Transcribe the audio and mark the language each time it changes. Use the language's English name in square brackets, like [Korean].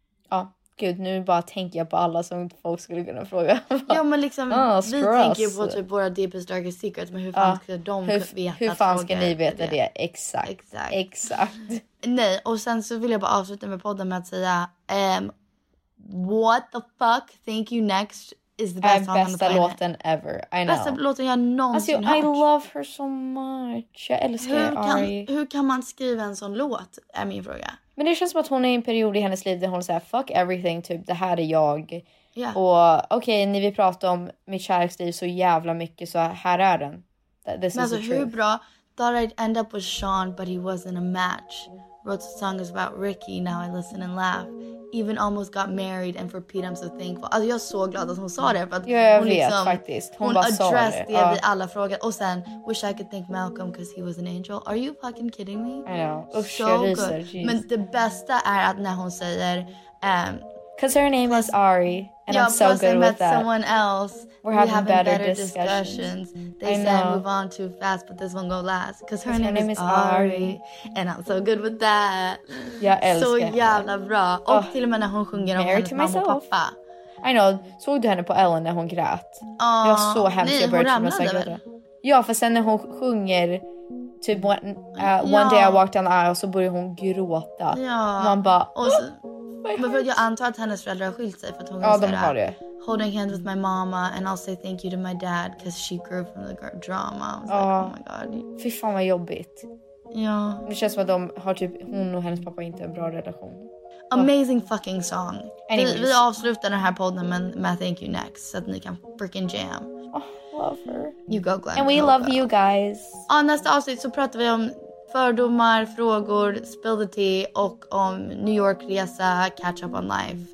[Swedish] Ja, oh, gud, nu bara tänker jag på alla som folk skulle kunna fråga. Ja, men liksom, oh, vi tänker ju på typ våra [English] deepest, darkest secrets. [Swedish] Men hur fan ska de veta? Hur fan ska ni veta det? Exakt. Nej, och sen så vill jag bara avsluta med podden med att säga... [English] What the fuck? Thank You Next is the best song on the planet. Låten ever. I know. [Swedish] Bästa låten jag någonsin [English] hört. I love her so much. [Swedish] Jag älskar Ari. Hur kan man skriva en sån låt? Är min fråga. Men det känns som att hon är i en period i hennes liv där hon säger [English] fuck everything, [Swedish] typ det här är jag. [English] Yeah. [Swedish] Och okej, okay, ni vill prata om mitt kärleksliv så jävla mycket, så här är den. [English] This [Swedish] men [English] is [Swedish] alltså, hur bra? [English] Thought I'd end up with Sean, but he wasn't a match. Wrote the song is about Ricky, now I listen and laugh. Even almost got married, and for Pete, I'm so thankful. [Swedish] Alltså, jag är så glad att hon sa det. För att ja, jag hon vet, liksom, faktiskt. Hon bara sa det. Hon addressed det vid alla frågor. Och sen, [English] wish I could thank Malcolm, because he was an angel. Are you fucking kidding me? I know. [Swedish] Usch, so jag ryser, [English] geez. [Swedish] Men det bästa är att när hon säger... [English] Because her name is Ari, and yeah, I'm so good with that. Yeah, plus I met someone else. We're having better discussions. They said move on too fast, but this one go last. Because her name is Ari, and I'm so good with that. [Swedish] Jag älskar så jävla bra. Och till och med när hon sjunger om hennes mamma och pappa. [English] I know. [Swedish] Såg du henne på Ellen när hon grät? [English] Oh, [Swedish] jag så hemskt. Nej, hon ramlade väl? Ja, för sen när hon sjunger... Typ [English] one day I walked down the aisle, [Swedish] så började hon gråta. Ja. Man bara... Men för jag antar att hennes föräldrar har skilt sig för att hon ja, de har det. [English] Holding hands with my mama and I'll say thank you to my dad because she grew from the drama. Ja. Like, oh my god. [Swedish] Fy fan vad jobbigt. Ja. Det känns som att de har typ hon och hennes pappa inte en bra relation. [English] Amazing fucking song. [Swedish] Vi avslutar den här podden med Thank You Next så att ni kan [English] freaking jam. Oh, love her. You go, Glenn. And we love you guys. [Swedish] Och nästa avsnitt så pratar vi om fördomar, frågor, [English] spill the tea [Swedish] och om New York-resa, [English] catch up on life.